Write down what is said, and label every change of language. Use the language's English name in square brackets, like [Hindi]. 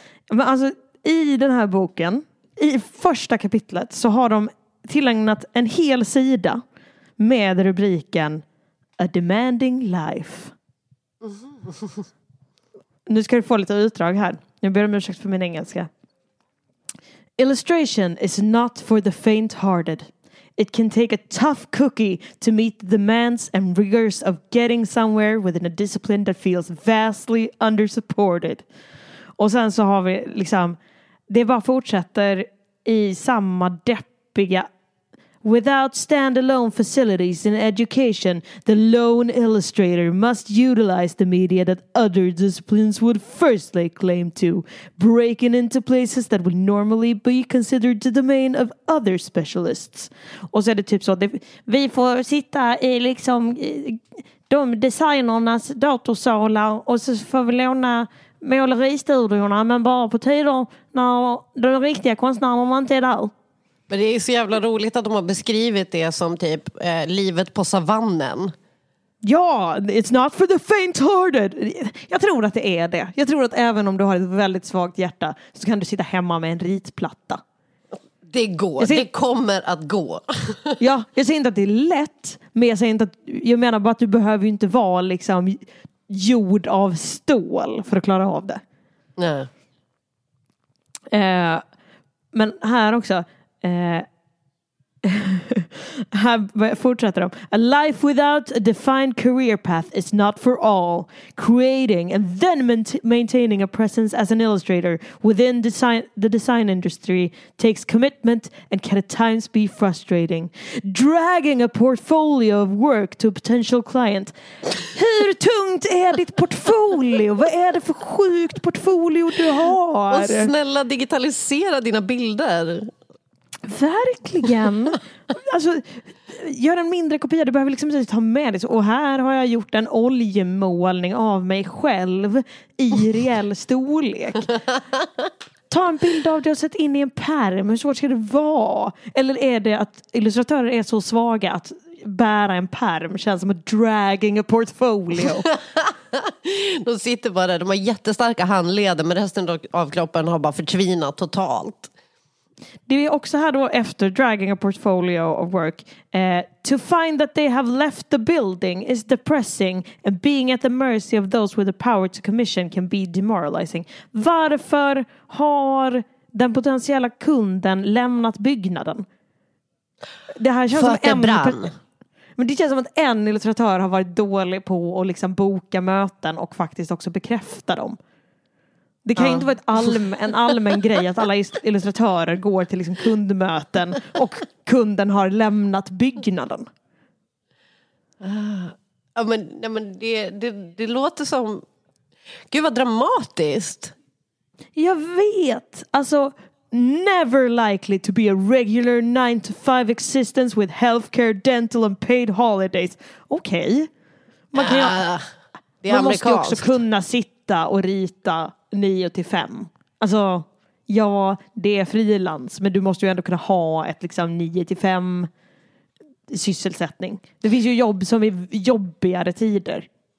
[Swedish] Men alltså, i den här boken, i första kapitlet, så har de tillägnat en hel sida med rubriken [English] A demanding life. Mm-hmm. [Swedish] Nu ska du få lite utdrag här. Jag ber om ursäkt för min engelska. [English] Illustration is not for the faint-hearted. It can take a tough cookie to meet the demands and rigors of getting somewhere within a discipline that feels vastly undersupported. [Swedish] Och sen så har vi liksom, det bara fortsätter i samma deppiga. [English] Without standalone facilities in education, the lone illustrator must utilize the media that other disciplines would first lay claim to, breaking into places that would normally be considered the domain of other specialists. [Swedish] Och så är det typ så att vi får sitta i liksom de designernas datorsalar och så får vi låna måleristudiorna, men bara på tider när de riktiga konstnärerna man inte är där. Men det är så jävla roligt att de har beskrivit det som typ livet på savannen. Ja, [English] it's not for the faint-hearted. [Swedish] Jag tror att det är det. Jag tror att även om du har ett väldigt svagt hjärta så kan du sitta hemma med en ritplatta. Det går. Det kommer att gå. Ja, jag säger inte att det är lätt. Men jag säger inte att, jag menar bara att du behöver ju inte vara liksom gjord av stål för att klara av det. Nej. Men här också. Här fortsätter de. [English] A life without a defined career path is not for all. Creating and then maintaining a presence as an illustrator within the design industry takes commitment and can at times be frustrating. Dragging a portfolio of work to a potential client. [Swedish] Hur tungt är ditt portfolio? Vad är det för sjukt portfolio du har? Och snälla, digitalisera dina bilder. Verkligen. Alltså, gör en mindre kopia. Du behöver liksom ta med dig. Och här har jag gjort en oljemålning av mig själv i reell storlek. Ta en bild av det och sätt in i en pärm. Hur svårt ska det vara? Eller är det att illustratörer är så svaga att bära en pärm känns som att [English] dragging a portfolio. [Swedish] De sitter bara där. De har jättestarka handleder, men resten av kroppen har bara förtvinat totalt. Det är också här då efter [English] dragging a portfolio of work. To find that they have left the building is depressing and being at the mercy of those with the power to commission can be demoralizing. [Swedish] Varför har den potentiella kunden lämnat byggnaden? Det här känns för som en brand. Men det känns som att en illustratör har varit dålig på att liksom boka möten och faktiskt också bekräfta dem. Det kan ju inte vara en allmän grej att alla illustratörer går till liksom kundmöten och kunden har lämnat byggnaden. Ja, men det låter som... Gud, vad dramatiskt! Jag vet! Alltså, [English] never likely to be a regular 9-to-5 existence with healthcare, dental and paid holidays. [Swedish] Okej. [English] Okay. [Swedish] Man måste ju också kunna sitta och rita 9-5. Alltså, ja, det är frilans, men du måste ju ändå kunna ha ett liksom 9-5 sysselsättning. Det finns ju jobb som är jobbigare tider.